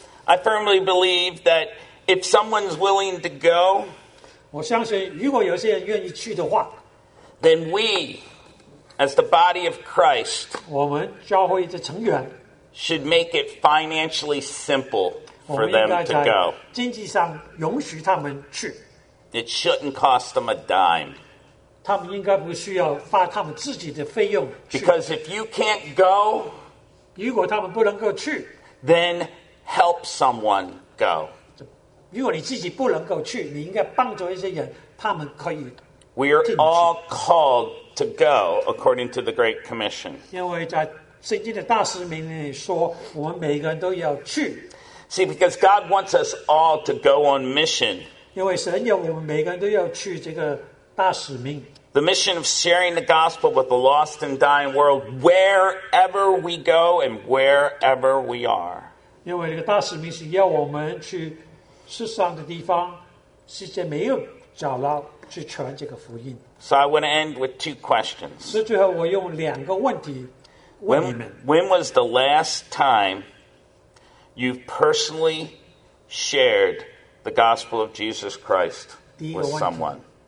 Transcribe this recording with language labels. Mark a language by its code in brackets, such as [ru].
[en] I firmly believe that if someone's willing to go, [zh] 我相信如果有些人愿意去的话, [en] then we, as the body of Christ, [zh] 我们教会的成员, [en] should make it financially simple for them to go. [zh] 经济上容许他们去, [en] it shouldn't cost them a dime. [zh] 他们应该不需要发他们自己的费用, [en] because if you can't go, [zh] 如果他们不能够去, [en] then help someone go. [zh] 如果你自己不能够去, 你应该帮助一些人, 他们可以, [en] we are all called to go according to the Great Commission. [zh] 因为在圣经的大使命里说, 我们每个人都要去, [en] see, because God wants us all to go on mission. [zh] 因为神要我们每个人都要去这个大使命, [en] the mission of sharing the gospel with the lost and dying world wherever we go and wherever we are. [zh] 因为这个大使命是要我们去世上的地方，世界没有找到去传这个福音。 [en] So I want to end with two questions. [zh] 所以最后我用两个问题问你们。 [en] When was the last time you've personally shared the gospel of Jesus Christ with someone?